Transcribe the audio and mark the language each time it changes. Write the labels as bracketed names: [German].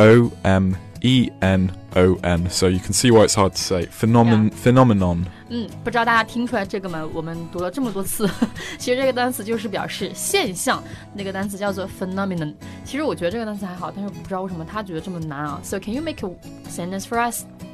[English] P-H-E-N-O-M-E-N-O-N. So you can see why it's hard to say. Phenomenon. [Chinese] 不知道大家听出来这个吗？我们读了这么多次，其实这个单词就是表示现象，那个单词叫做 phenomenon. 其实我觉得这个单词还好，但是不知道为什么他觉得这么难啊。 [English] So can you make a sentence for us?